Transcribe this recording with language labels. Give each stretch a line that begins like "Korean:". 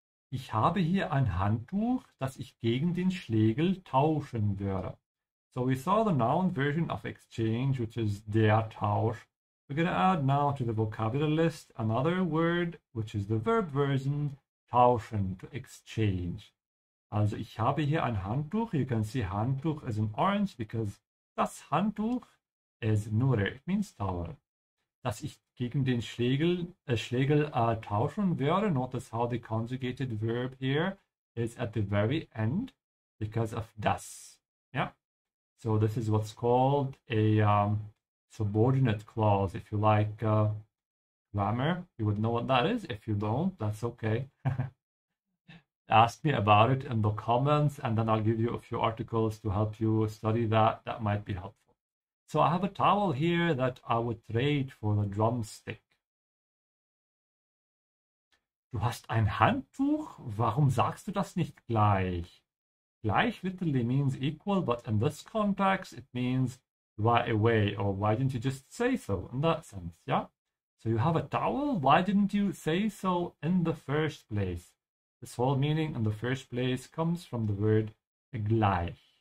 German: Ich habe hier ein Handtuch, das ich gegen den Schlegel tauschen würde.
English: So we saw the noun version of exchange, which is der Tausch. We're going to add now to the vocabulary list another word, which is the verb version, tauschen, to exchange.
German: Also ich habe hier ein Handtuch.
English: You can see Handtuch is in orange because das Handtuch is nur, it means towel.
German: Dass ich gegen den Schlegel, tauschen würde.
English: Notice how the conjugated verb here is at the very end because of das. Yeah. So this is what's called a subordinate clause. If you like grammar, you would know what that is. If you don't, that's okay. Ask me about it in the comments and then I'll give you a few articles to help you study that. That might be helpful. So I have a towel here that I would trade for the drumstick.
German: Du hast ein Handtuch? Warum sagst du das nicht gleich?
English: Gleich literally means equal, but in this context, it means right away, or why didn't you just say so, in that sense, yeah? So you have a towel, why didn't you say so in the first place? This whole meaning in the first place comes from the word gleich.